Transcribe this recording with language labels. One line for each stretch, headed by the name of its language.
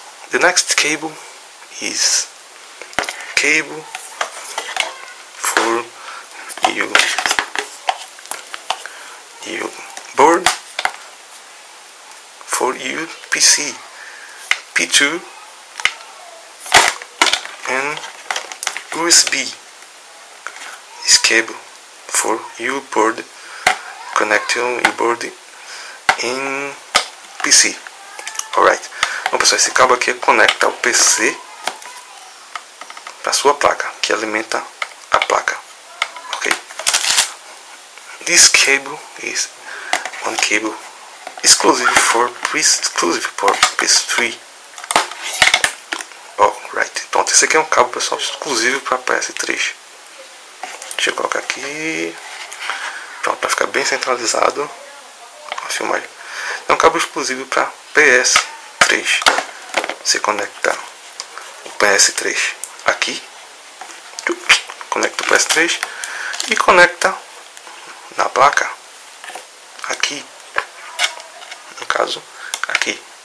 English: The next cable is cable for your board for your PC P2 and USB. This cable for your board, connect your board in PC. Alright.
Portuguese: Bom pessoal, esse cabo aqui conecta o PC para sua placa, que alimenta a placa, ok?
English: This cable is one cable exclusive for PS3.
Portuguese: Alright, pronto, esse aqui é um cabo pessoal exclusivo para PS3. Deixa eu colocar aqui, pronto, para ficar bem centralizado a filmagem. É um cabo exclusivo para PS3. Você conecta o PS3 aqui, conecta o PS3 e conecta na placa aqui, no caso aqui.